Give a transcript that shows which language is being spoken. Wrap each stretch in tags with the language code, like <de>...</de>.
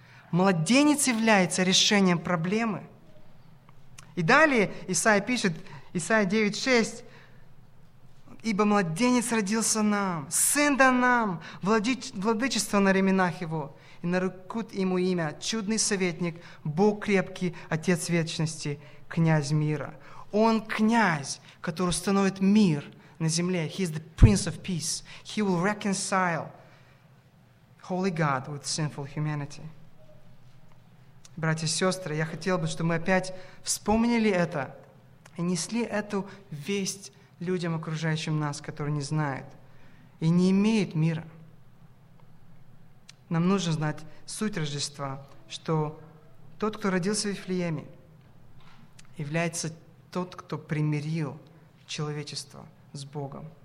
<ru>Младенец является решением проблемы. И далее Исаия пишет, Исаия 9:6, «Ибо младенец родился нам, сын дан нам, владычество на ременах его, и нарекут ему имя, чудный советник, Бог крепкий, Отец вечности, князь мира». Он князь, который установит мир на земле.</ru> <en>He is the prince of peace. He will reconcile Holy God with sinful humanity.</en> <ru>Братья и сестры, я хотел бы, чтобы мы опять вспомнили это и несли эту весть людям, окружающим нас, которые не знают и не имеют мира. Нам нужно знать суть Рождества, что тот, кто родился в Вифлееме, является тот, кто примирил человечество с Богом.</ru>